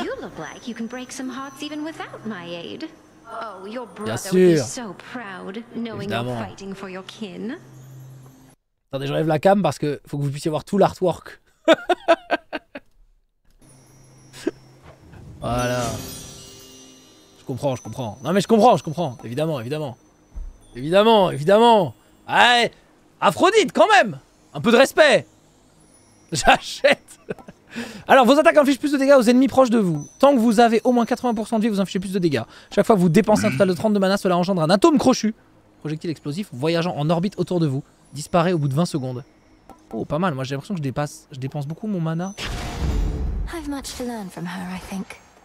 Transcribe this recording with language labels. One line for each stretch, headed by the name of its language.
English: You look like you can break some hearts even without my aid. Oh, your brother would be so proud knowing you're fighting for your kin.
French: Attendez, j'enlève la cam parce que faut que vous puissiez voir tout l'artwork. Voilà. Je comprends. Non mais je comprends. Évidemment. Ouais, Aphrodite, quand même. Un peu de respect. J'achète. Alors, vos attaques infligent plus de dégâts aux ennemis proches de vous. Tant que vous avez au moins 80% de vie, vous infligez plus de dégâts. Chaque fois que vous dépensez un total de 30 de mana, cela engendre un atome crochu. Projectile explosif voyageant en orbite autour de vous. disparaît au bout de 20 secondes. Oh, pas mal. Moi, j'ai l'impression que je dépense beaucoup mon mana.
English: I've much to learn from her, I think.